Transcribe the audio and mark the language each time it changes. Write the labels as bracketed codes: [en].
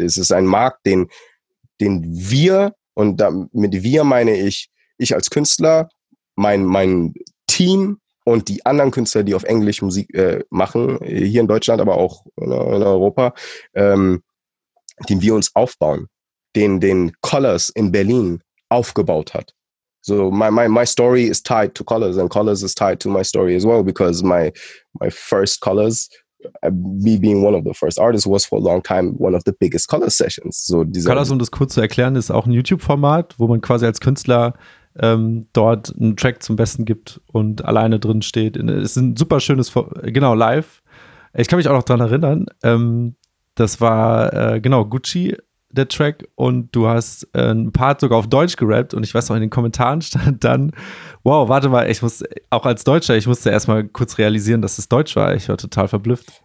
[de] Es ist ein Markt, den wir, und mit wir meine ich als Künstler, mein Team und die anderen Künstler, die auf Englisch Musik machen, hier in Deutschland, aber auch in Europa, den wir uns aufbauen, den Colors in Berlin aufgebaut hat. [en] So my story is tied to Colors and Colors is tied to my story as well, because my first Colors, me being one of the first artists, was for a long time one of the biggest Colors sessions. So [de] dieser Colors, um das kurz zu erklären, ist auch ein YouTube-Format, wo man quasi als Künstler dort einen Track zum Besten gibt und alleine drin steht. Es ist ein super schönes, genau, live. Ich kann mich auch noch daran erinnern, das war, genau, Gucci, der Track, und du hast einen Part sogar auf Deutsch gerappt, und ich weiß noch, in den Kommentaren stand dann, wow, warte mal, ich muss, auch als Deutscher, ich musste erstmal kurz realisieren, dass es Deutsch war. Ich war total verblüfft.